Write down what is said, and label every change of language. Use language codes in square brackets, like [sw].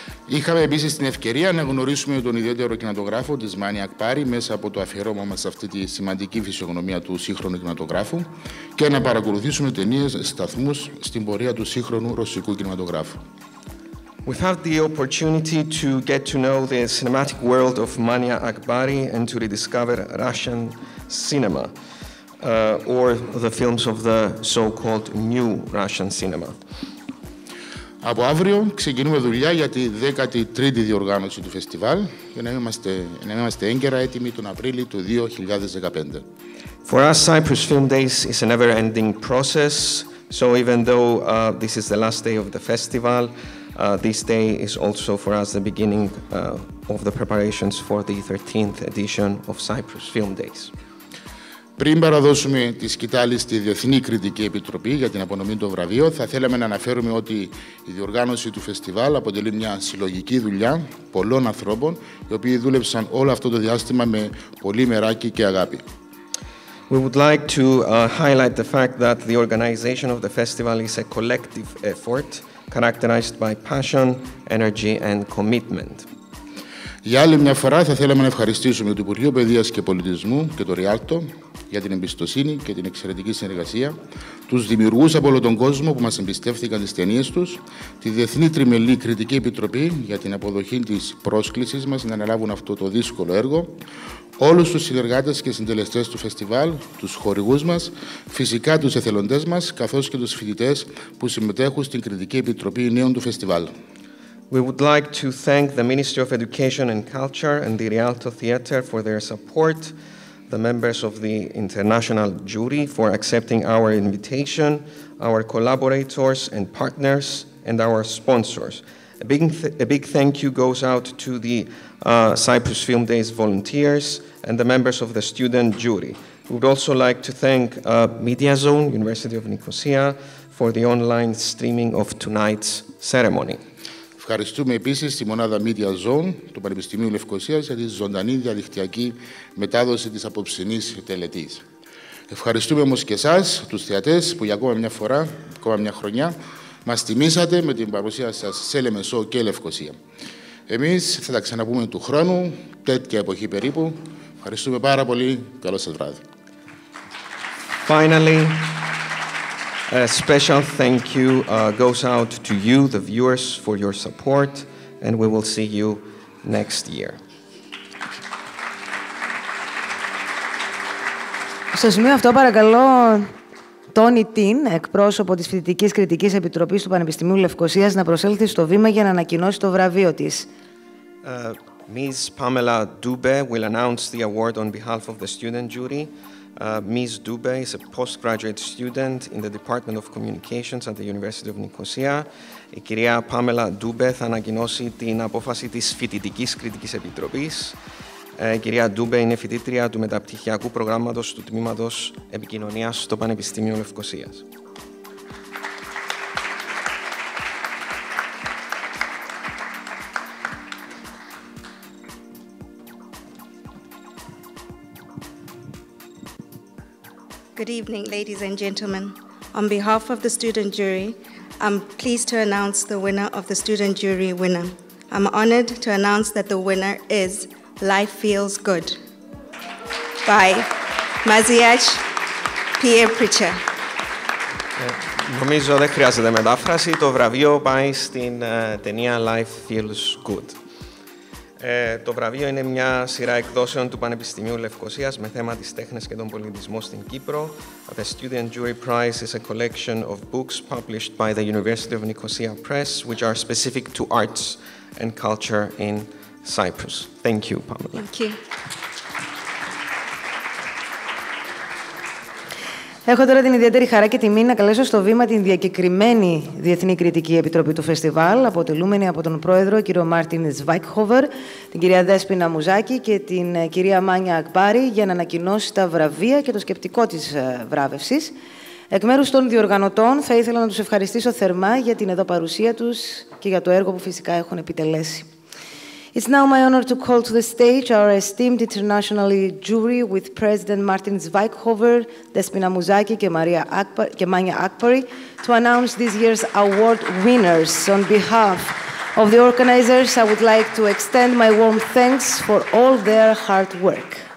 [el] Είχαμε επίσης την ευκαιρία να γνωρίσουμε τον ιδιαίτερο κινηματογράφο της Maniac Party μέσα από το αφιέρωμα μας σε αυτή τη σημαντική φυσιογνωμία του σύγχρονου κινηματογράφου και να παρακολουθήσουμε ταινίες σταθμούς στην πορεία του σύγχρονου ρωσικού κινηματογράφου. [en] We've had the opportunity to get to know the cinematic world of Maniac Party and to rediscover Russian cinema or the films of the so-called new Russian cinema. [el] Από αύριο ξεκινούμε δουλειά για τη 13η διοργάνωση του φεστιβάλ για να είμαστε έγκαιρα έτοιμοι τον Απρίλιο του 2015. [en] For us, Cyprus Film Days is a never-ending process, so even though this is the last day of the festival, this day is also for us the beginning of the preparations for the 13th edition of Cyprus Film Days. [el] Πριν παραδώσουμε τη σκητάλη στη Διεθνή Κριτική Επιτροπή για την απονομή των βραβείων, θα θέλαμε να αναφέρουμε ότι η διοργάνωση του φεστιβάλ αποτελεί μια συλλογική δουλειά πολλών ανθρώπων, οι οποίοι δούλεψαν όλο αυτό το διάστημα με πολύ μεράκι και αγάπη. [en] We would like to highlight the fact that the organization of the festival is a collective effort characterized by passion, energy and commitment. [el] Για άλλη μια φορά θα θέλαμε να ευχαριστήσουμε το Υπουργείο Παιδείας και Πολιτισμού και το Rialto για την εμπιστοσύνη και την εξαιρετική συνεργασία, τους δημιουργούς από όλο τον κόσμο που μας εμπιστεύτηκαν τις ταινίες τους, τη Διεθνή Τριμελή Κριτική Επιτροπή για την αποδοχή της πρόσκλησης μας να αναλάβουν αυτό το δύσκολο έργο, όλους τους συνεργάτες και συντελεστές του φεστιβάλ, τους χορηγούς μας, φυσικά τους εθελοντές μας, καθώς και τους φοιτητές που συμμετέχουν στην Κριτική Επιτροπή Νέων του Φεστιβάλ. [en] We would like to thank the Ministry of Education and Culture and the Rialto Theatre for their support, the members of the international jury for accepting our invitation, our collaborators and partners, and our sponsors. A big thank you goes out to the Cyprus Film Days volunteers and the members of the student jury. We would also like to thank MediaZone, University of Nicosia, for the online streaming of tonight's ceremony. [el] Ευχαριστούμε επίσης τη μονάδα Media Zone του Πανεπιστημίου Λευκωσίας για τη ζωντανή διαδικτυακή μετάδοση της απόψινής τελετής. Ευχαριστούμε όμως και εσάς, τους θεατές, που για ακόμα μια χρονιά, μας τιμήσατε με την παρουσία σας σε Λεμεσό και Λευκωσία. Εμείς θα τα ξαναπούμε του χρόνου, τέτοια εποχή περίπου. Ευχαριστούμε πάρα πολύ. Καλό σας βράδυ. [en] Finally, a special thank you goes out to you, the viewers, for your support, and we will see you next year. [el] Στο σημείο αυτό, παρακαλώ Τόνι Τιν, εκπρόσωπο της Φοιτητικής Κριτικής Επιτροπής του Πανεπιστημίου Λευκωσίας, να προσέλθει στο βήμα για να ανακοινώσει το βραβείο της. [en] Ms. Pamela Dube will announce the award on behalf of the student jury. Ms. Dube is a postgraduate student in the Department of Communications at the University of Nicosia. [el] Η κυρία Πάμελα Ντούμπε θα ανακοινώσει την απόφαση της Φοιτητικής Κριτικής Επιτροπής. Η κυρία Ντούμπε είναι φοιτήτρια του Μεταπτυχιακού Προγράμματος του Τμήματος Επικοινωνίας στο Πανεπιστήμιο Λευκωσίας. [en] Good evening, ladies and gentlemen. On behalf of the student jury, I'm pleased to announce the winner of the student jury winner. I'm honored to announce that the winner is Life Feels Good by Maziach Pierre Pritcher. [el] Νομίζω δεν χρειάζεται μετάφραση. Το βραβείο πάει στην ταινία Life Feels Good. Το βραβείο είναι μια σειρά εκδόσεων του Πανεπιστημίου Λευκωσίας με θέμα τις τέχνες και τον πολιτισμό στην Κύπρο. [en] The Student Jury Prize is a collection of books published by the University of Nicosia Press which are specific to arts and culture in Cyprus. Thank you, Pamela. Thank you. [el] Έχω τώρα την ιδιαίτερη χαρά και τιμή να καλέσω στο βήμα την διακεκριμένη Διεθνή Κριτική Επιτροπή του Φεστιβάλ, αποτελούμενη από τον πρόεδρο, κύριο Μάρτιν Σβάικχόβερ, την κυρία Δέσποινα Μουζάκη και την κυρία Μάνια Ακπάρη, για να ανακοινώσει τα βραβεία και το σκεπτικό της βράβευσης. Εκ μέρους των διοργανωτών, θα ήθελα να τους ευχαριστήσω θερμά για την εδώ παρουσία τους και για το έργο που φυσικά έχουν επιτελέσει. [en] It's now my honor to call to the stage our esteemed international jury with President Martin Zweighofer, Despina Muzaki, Kemanya Akpari to announce this year's award winners. On behalf of the organizers, I would like to extend my warm thanks for all their hard work.